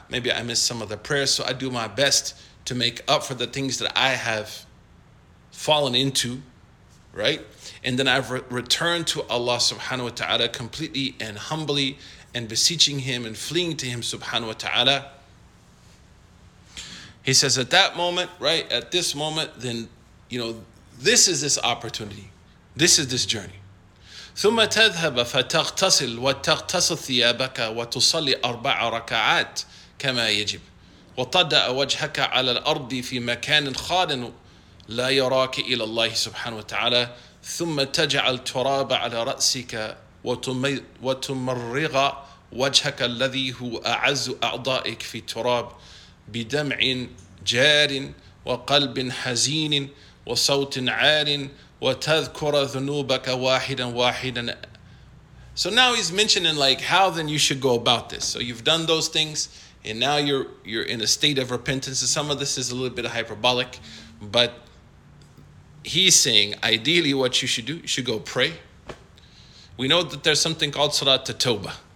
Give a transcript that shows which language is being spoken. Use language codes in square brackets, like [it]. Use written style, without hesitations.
[en] Maybe I missed some of the prayers. So I do my best to make up for the things that I have fallen into, right? And then I've returned to Allah subhanahu wa ta'ala completely and humbly and beseeching Him and fleeing to Him subhanahu wa ta'ala. He says at that moment, right, at this moment, then, you know, This is this opportunity. This is this journey. [ar] ثم تذهب فتغتسل وتغتسل ثيابك وتصلي أربع ركعات كما يجب وتضأ وجهك على الأرض في مكان خال لا يراك إلى الله سبحانه وتعالى ثم تجعل تراب على رأسك وتمرغ وجهك الذي هو أعز أعضائك في التراب بدمع جار وقلب حزين وصوت عار وتذكر ذنوبك واحدا واحدا. [en] So now he's mentioning like how then you should go about this. So you've done those things and now you're in a state of repentance. And some of this is a little bit hyperbolic, but he's saying ideally what you should do, you should go pray. We know that there's something called Salat at-Tawbah.